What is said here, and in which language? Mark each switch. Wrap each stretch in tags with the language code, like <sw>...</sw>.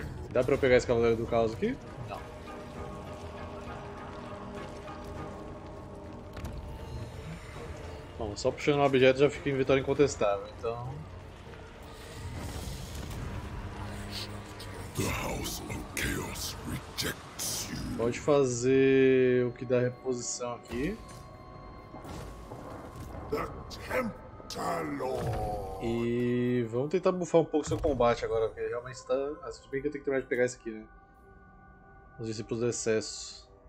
<pt>Dá pra eu pegar esse cavaleiro do caos aqui? Não. Bom, só puxando o objeto já fica em vitória incontestável, então.</pt> <en>The House of Chaos rejects you.</en> <pt>Pode fazer o que dá reposição aqui. The Tempter-Lord. E vamos tentar buffar um pouco seu combate agora, porque realmente está. Acho que bem que eu tenho que terminar de pegar esse aqui, né? Os discípulos do excesso.</pt>